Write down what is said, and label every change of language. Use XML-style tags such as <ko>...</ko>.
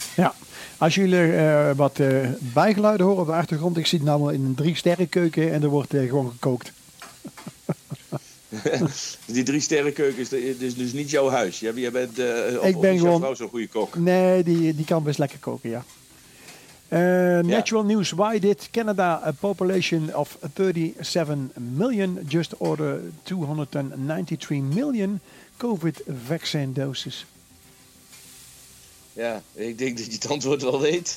<nl>Ja, als jullie wat bijgeluiden horen op de achtergrond, ik zit namelijk in een 3-sterrenkeuken en er wordt gewoon gekookt. Die 3-sterrenkeuken is dus niet jouw huis. Jij bent jouw vrouw zo'n goede kok? Nee, die kan best lekker koken, ja.</nl> <en>Natural News, why did Canada a population of 37 million just order 293 million COVID vaccine doses?</en> <nl>Ja, ik denk dat je het antwoord wel weet.</nl>